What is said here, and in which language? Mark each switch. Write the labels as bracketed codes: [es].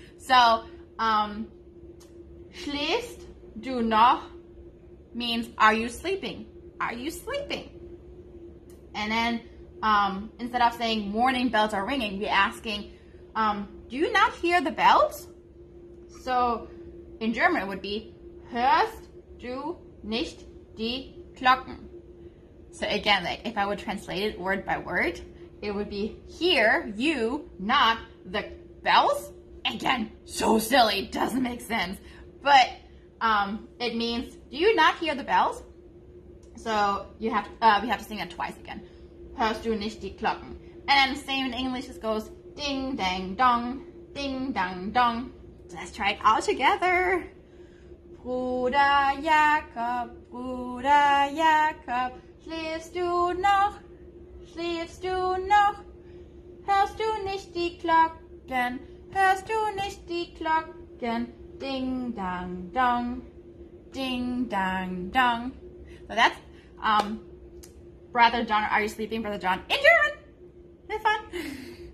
[en] So [de] schläfst du noch [en] means are you sleeping? Are you sleeping? And then instead of saying morning bells are ringing, we're asking, do you not hear the bells? So in German it would be [de] hörst du nicht die Glocken? [en] So again, like if I would translate it word by word, it would be hear you not the bells. Again, so silly, doesn't make sense. But it means, do you not hear the bells? So you have to, we have to sing it twice again. [de] Hörst du nicht die Glocken? [en] And then same in English, it goes ding, dang, dong, ding, dang, dong. Let's try it all together. [de] Bruder Jakob, Bruder Jakob, schläfst du noch? Schläfst du noch? Hörst du nicht die Glocken? Hörst du nicht die Glocken? Ding, dang, dong. Ding, dang, dong. [en] So that's Brother John, are you sleeping, Brother John? In German! Have fun!